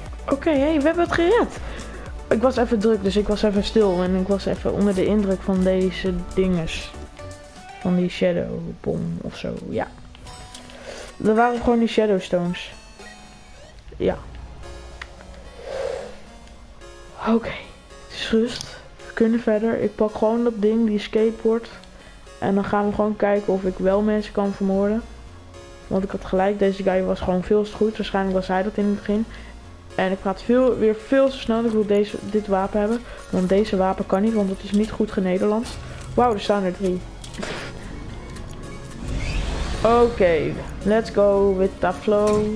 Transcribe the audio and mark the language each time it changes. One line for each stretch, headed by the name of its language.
Dutch: Oké, hey, we hebben het gered. Ik was even druk, dus ik was even stil. En ik was even onder de indruk van deze dinges. Van die shadow bomb of zo, ja. Dat waren gewoon die shadow stones. Ja. Oké, het is rust. We kunnen verder. Ik pak gewoon dat ding, die skateboard. En dan gaan we gewoon kijken of ik wel mensen kan vermoorden. Want ik had gelijk, deze guy was gewoon veel te goed. Waarschijnlijk was hij dat in het begin. En ik praat weer veel te snel. Ik wil dit wapen hebben. Want deze wapen kan niet, want het is niet goed genederlands. Wauw, er staan er 3.
English: Oké, let's go with the flow.